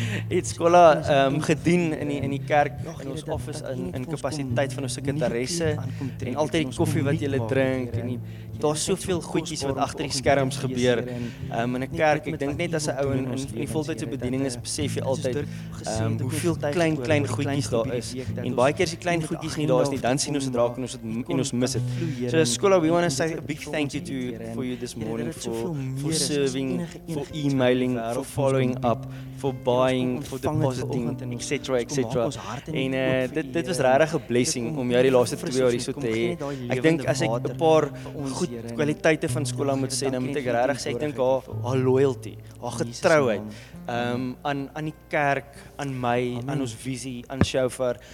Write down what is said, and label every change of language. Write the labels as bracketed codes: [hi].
[af] Het Skola gedien in die kerk, in ons office, in kapasiteit van ons sekretaresse, en altyd die koffie wat jy drink, en daar's soveel goedjies wat agter die skerms gebeur, in 'n kerk. Ek dink net as 'n ou in die voltydse bediening is, besef jy altyd hoeveel klein goedjies daar is, en baie keer is die klein goedjies nie daar is nie, dan sien ons dit raak en ons mis dit. [en] So Skola, we want to say a big thank you to for you this morning, for serving, for emailing, for following up, for buying, for depositing, etc, etc. [af] En dit was regtig 'n blessing om jou die laaste 2 jaar hier so te hê. Ek dink as ek 'n paar goed kwaliteite van Skola moet sê, dan moet ek regtig sê, ek dink haar loyalty, haar getrouheid aan die kerk, aan my, aan ons visie, aan Shofar.